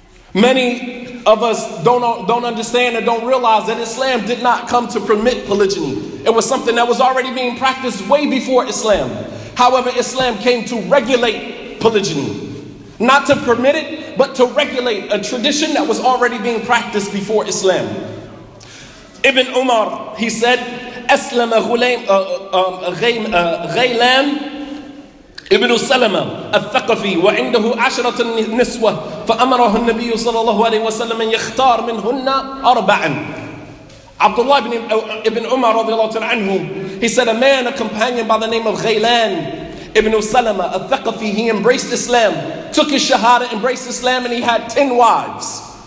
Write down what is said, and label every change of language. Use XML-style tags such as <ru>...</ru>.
<en>Many of us don't understand and don't realize that Islam did not come to permit polygyny. It was something that was already being practiced way before Islam. However, Islam came to regulate polygyny. Not to permit it, but to regulate a tradition that was already being practiced before Islam. Ibn Umar, he said,</en> <ar>أسلم غيلان ابن سلمة الثقفي وعنده 10 نسوة فأمره النبي صلى الله عليه وسلم يختار منهن 4.</ar> <en>Abdullah ibn Umar</en> <ar>رضي الله تعالى عنه,</ar> <en>he said, a man, a companion by the name of غيلان ابن سلمة الثقفي, he embraced Islam, took his shahada, embraced Islam, and he had 10 wives.</en>